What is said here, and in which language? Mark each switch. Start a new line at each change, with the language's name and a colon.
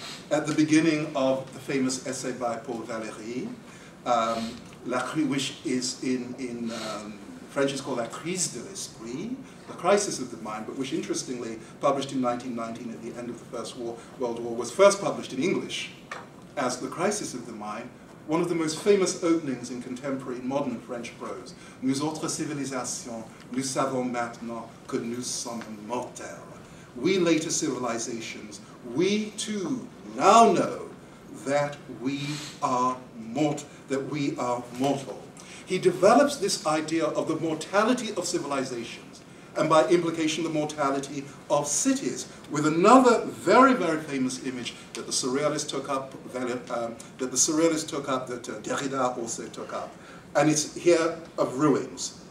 English: At the beginning of the famous essay by Paul Valéry, La Crise, which is in French is called La Crise de l'Esprit, the crisis of the mind, but which interestingly, published in 1919 at the end of the First World War, was first published in English as The Crisis of the Mind. One of the most famous openings in contemporary modern French prose.
French: Nous autres civilisations, nous savons maintenant que nous sommes mortels.
English: We later civilizations, we too now know that we are mortal. He develops this idea of the mortality of civilizations, and by implication, the mortality of cities, with another very, very famous image that the Surrealists took up, Derrida also took up, and it's here of ruins.